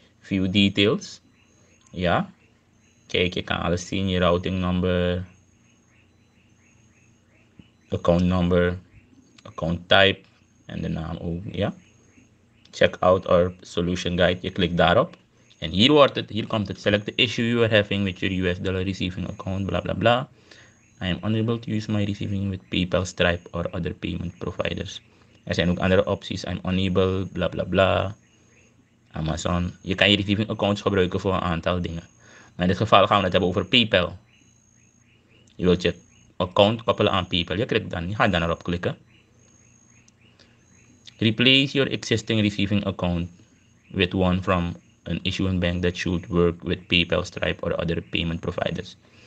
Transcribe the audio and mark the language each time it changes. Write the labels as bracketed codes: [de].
[en] View details. [nl] Ja. Kijk, je kan alles zien. Je routing number. Account number. Account type. En de naam ook. Ja. [en] Check out our solution guide. [nl] Je klikt daarop. En hier wordt het, hier komt het. [en] Select the issue you are having with your US dollar receiving account, bla bla bla. I am unable to use my receiving with PayPal, Stripe or other payment providers. [nl] Er zijn ook andere opties. [en] I'm unable, bla bla bla. [nl] Amazon. Je kan je receiving accounts gebruiken voor een aantal dingen. Maar in dit geval gaan we het hebben over PayPal. Je wilt je account koppelen aan PayPal. Je klikt dan, je gaat dan erop klikken. [en] Replace your existing receiving account with one from an issuing bank that should work with PayPal, Stripe or other payment providers.